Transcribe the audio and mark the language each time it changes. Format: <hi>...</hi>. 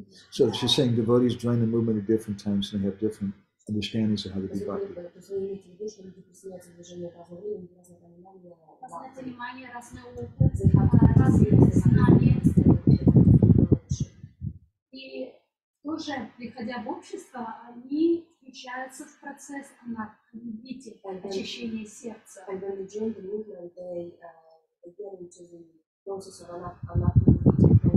<en>So she's saying devotees join the movement at different times and they have different understandings of how to be bhakti.</en> <ru>Тоже, приходя в общество, они включаются в процесс анархии, очищения сердца.</ru> <en>And when they join the movement, they get into the process of</en>